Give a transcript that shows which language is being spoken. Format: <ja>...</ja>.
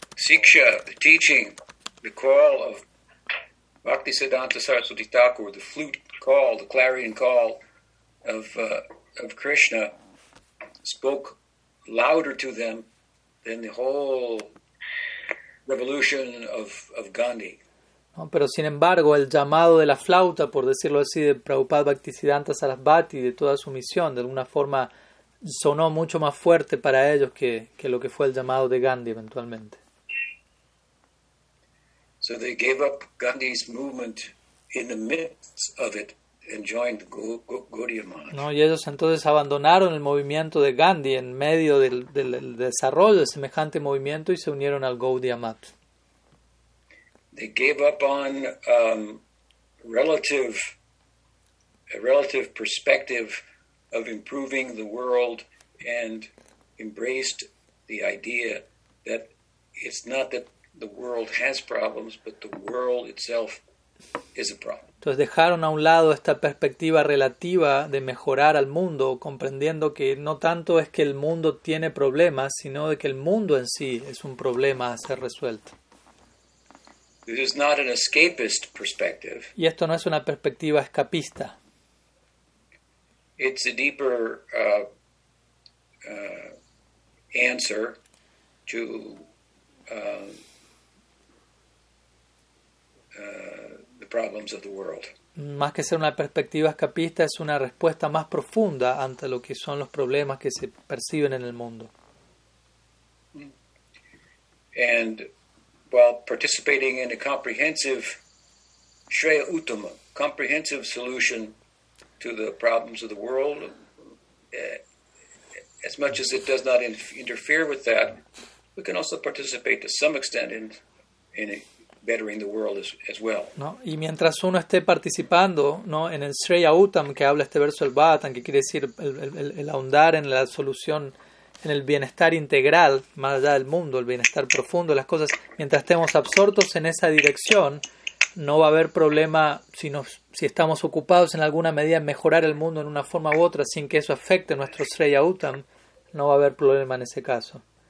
<en>Siksha, the teaching, the call of Bhaktisiddhanta Saraswati Thakur, the flute call, the clarion call of Krishna, spoke louder to them than the whole revolution of Gandhi.</en> <es>No, pero sin embargo, el llamado de la flauta, por decirlo así, de Prabhupada Bhaktisiddhanta Sarasvati, de toda su misión, de alguna forma sonó mucho más fuerte para ellos que lo que fue el llamado de Gandhi eventualmente.</es> <en>So they gave up Gandhi's movement in the midst of it and joined Gaudiya Mathas.</en> <es>No, y ellos entonces abandonaron el movimiento de Gandhi en medio del desarrollo de semejante movimiento y se unieron al Gaudiya Mathas.</es> <en>They gave up on a relative perspective of improving the world and embraced the idea that it's not that the world has problems, but the world itself is a problem.</en> <es>Entonces dejaron a un lado esta perspectiva relativa de mejorar al mundo, comprendiendo que no tanto es que el mundo tiene problemas, sino de que el mundo en sí es un problema a ser resuelto.</es> <en>This is not an escapist perspective.</en> <es>Y esto no es una perspectiva escapista.</es> <en>It's a deeper answer to the problems of the world.</en> <es>Más que ser una perspectiva escapista, es una respuesta más profunda ante lo que son los problemas que se perciben en el mundo.</es> <en>And while participating in a comprehensive Shreya Uttama, comprehensive solution to the problems of the world, as much as it does not interfere with that, we can also participate to some extent in bettering the world as well.</en> <es>No, y mientras uno esté participando, no, en el Shreya Uttam, que habla este verso del Bhagavatam, que quiere decir el ahondar en la solución, en el bienestar integral, más allá del mundo, el bienestar profundo, las cosas, mientras estemos absortos en esa dirección, no va a haber problema si estamos ocupados en alguna medida en mejorar el mundo en una forma u otra, sin que eso afecte nuestro Shreya Uttam, no va a haber problema en ese caso.</es>